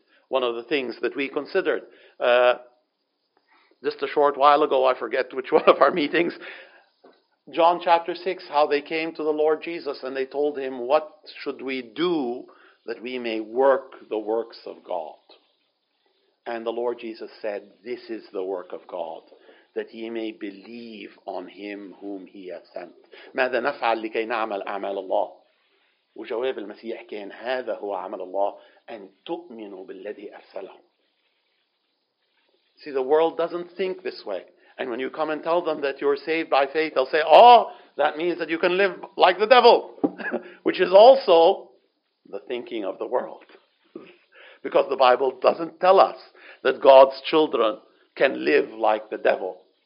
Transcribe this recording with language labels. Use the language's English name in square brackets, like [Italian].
[English] One of the things that we considered just a short while ago, I forget which one of our meetings, John chapter 6, how they came to the Lord Jesus and they told him, what should we do that we may work the works of God? And the Lord Jesus said, this is the work of God, that ye may believe on him whom he hath sent. [Arabic] ماذا نفعل لكي نعمل أعمال الله؟ وجواب المسيح كان هذا هو عمل الله أن تؤمنوا بالذي أرسله. [English] See, the world doesn't think this way. And when you come and tell them that you're saved by faith, they'll say, oh, that means that you can live like the devil, which is also the thinking of the world. Because the Bible doesn't tell us that God's children can live like the devil.